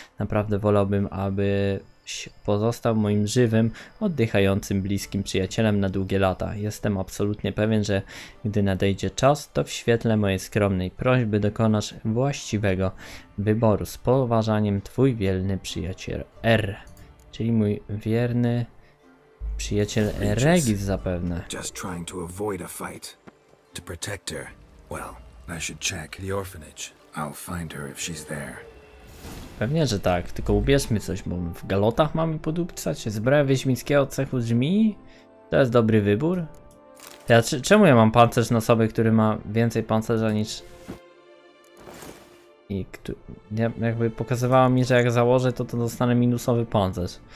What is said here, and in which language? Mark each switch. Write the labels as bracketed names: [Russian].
[Polish] Naprawdę wolałbym, abyś pozostał moim żywym, oddychającym, bliskim przyjacielem na długie lata. Jestem absolutnie pewien, że gdy nadejdzie czas, to w świetle mojej skromnej prośby dokonasz właściwego wyboru. Z poważaniem, twój wielny przyjaciel R. Czyli mój wierny... przyjaciel Regis zapewne. [English] Just trying to avoid a fight. To protect her. Well, I should check the orphanage. I'll find her if she's there. [Polish] Pewnie, że tak. Tylko ubierzmy coś, bo w galotach mamy podupcać. Zbroja wiedźmińskiego cechu brzmi? To jest dobry wybór? Ja, czemu ja mam pancerz na sobie, który ma więcej pancerza niż... I jakby pokazywało mi, że jak założę, to dostanę minusowy pancerz.